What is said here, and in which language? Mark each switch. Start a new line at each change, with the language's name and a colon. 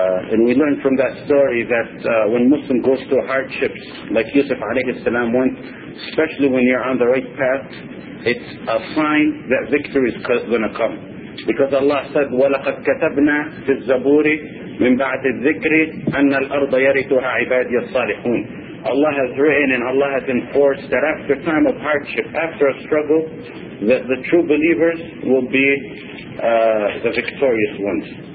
English: And we learned from that story that when Muslim goes through hardships like Yusuf alayhi salam went, especially when you're on the right path, it's a sign that victory is going to come. Because Allah said,
Arabic: وَلَقَدْ كَتَبْنَا فِي الزَّبُورِ مِنْ بَعْدِ الذِّكْرِ أَنَّ الْأَرْضَ يَرِثُهَا عِبَادِيَ الصَّالِحُونَ.
English: Allah has written and Allah has enforced that after time of hardship, after a struggle, that the true believers will be the victorious ones.